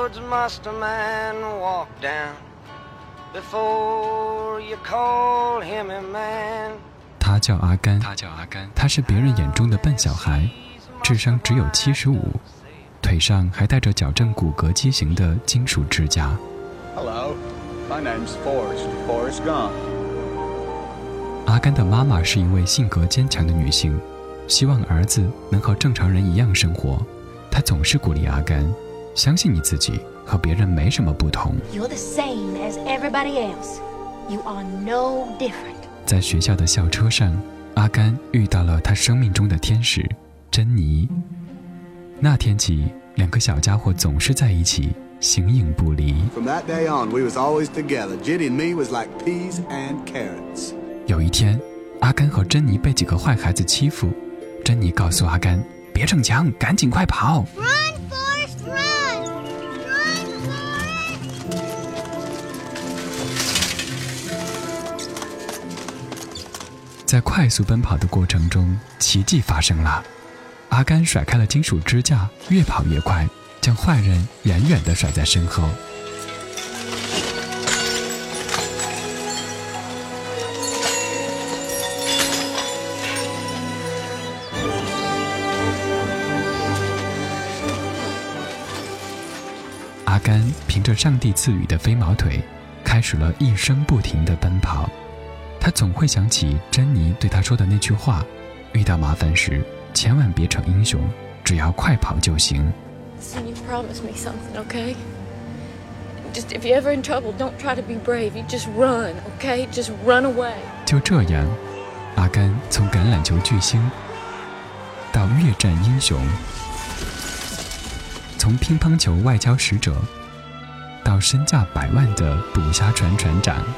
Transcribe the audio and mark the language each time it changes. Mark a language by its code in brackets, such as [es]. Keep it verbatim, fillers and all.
[en] must a man walk down before you call him a man？ [zh] 他叫阿甘，他叫阿甘，他是别人眼中的笨小孩，智商只有七十五，腿上还带着矫正骨骼畸形的金属支架。 [en] Hello, my name's Forrest. Forrest Gump. [zh] 阿甘的妈妈是一位性格坚强的女性，希望儿子能和正常人一样生活。她总是鼓励阿甘，相信你自己和别人没什么不同。 [en] You're the same as everybody else. You are no different. [zh] 在学校的校车上，阿甘遇到了他生命中的天使珍妮。那天起，两个小家伙总是在一起，形影不离。 [en] From that day on, we was always together. Jenny and me was like peas and carrots. [zh] 有一天，阿甘和珍妮被几个坏孩子欺负，珍妮告诉阿甘：“别逞强，赶紧快跑！” [en] Run, Forrest, run, run, Forrest. [zh] 在快速奔跑的过程中，奇迹发生了。阿甘甩开了金属支架，越跑越快，将坏人远远地甩在身后。阿甘凭着上帝赐予的飞毛腿，开始了一生不停的奔跑。他总会想起珍妮对他说的那句话：遇到麻烦时，千万别逞英雄，只要快跑就行。 [en] Listen, you promise me something, okay? Just if you're ever in trouble, don't try to be brave. You just run, okay? Just run away. [zh] 就这样，阿甘从橄榄球巨星到越战英雄，从乒乓球外交使者到身价百万的捕虾船船长。